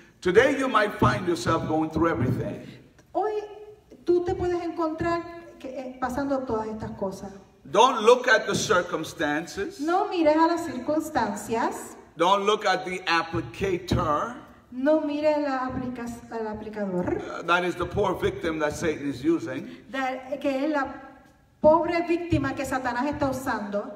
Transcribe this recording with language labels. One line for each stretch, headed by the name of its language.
English: Today you might find yourself going through everything.
Spanish: Hoy tú te puedes encontrar pasando todas estas cosas.
English: Don't look at the circumstances.
Spanish: No mires a las circunstancias.
English: Don't look at the applicator.
Spanish: No mires al aplicador.
English: That is the poor victim that Satan is using.
Spanish: Que es la pobre víctima que Satanás está usando.